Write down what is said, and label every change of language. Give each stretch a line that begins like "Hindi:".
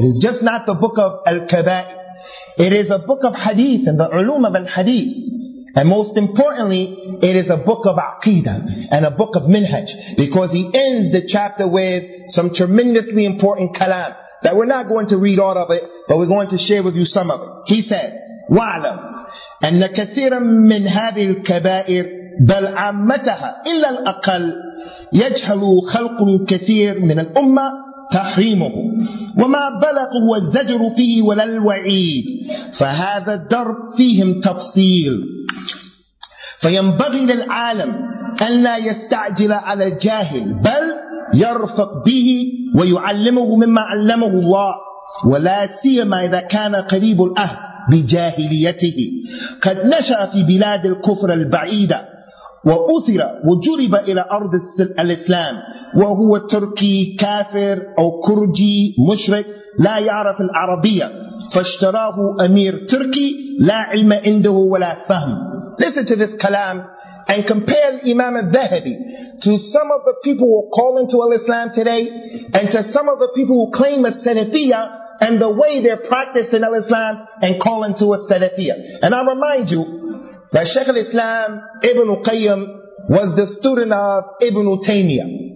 English: It is just not the book of Al-Kaba'i. It is a book of hadith and the ulum of al-hadith. And most importantly, it is a book of aqidah and a book of minhaj. Because he ends the chapter with some tremendously important kalam that we're not going to read all of it, but we're going to share with you some of it. He said,
Arabic: وَعْلَمْ أَنَّ كَثِيرًا مِّنْ هَذِي الْكَبَائِرِ بَلْ عَمَّتَهَا إِلَّا الْأَقَلْ يَجْهَلُ خَلْقٌ كَثِيرٌ مِّنَ الْأُمَّةِ تَحْرِيمُهُ وَمَا بَلَقُوا وَالزَّجْرُ فِيهِ وَلَا الْوَعِيدِ فَهَذَا الدَّرْبُ فِيهِمْ تَفْصِيلٌ فَيَنْبَغِي لِلْعَالَمِ أَنْ لَا يَسْتَعْجِلَ عَلَى الْجَاهِلِ بَلْ يَرْفَقْ بِهِ وَيُعَلِّمُهُ مِمَّا عَلَّمَهُ اللَّهُ وَلَا سِيَمَا إِذَا كَانَ قَرِيبُ الْأَهْلِ بجاهليته قد نشأ في بلاد الكفر البعيدة وأثر وجرب إلى أرض الإسلام وهو تركي كافر أو كردي مشرك لا يعرف العربية فاشتراه أمير تركي لا علم عنده ولا فهم.
English: Listen to this kalam and compare Imam al-Dhahabi to some of the people who call into al-Islam today and to some of the people who claim a Salafiyya and the way they're practiced in al-Islam and call into a Salafiyya. And I remind you that Shaykh al-Islam Ibn Qayyim was the student of Ibn Taymiyyah.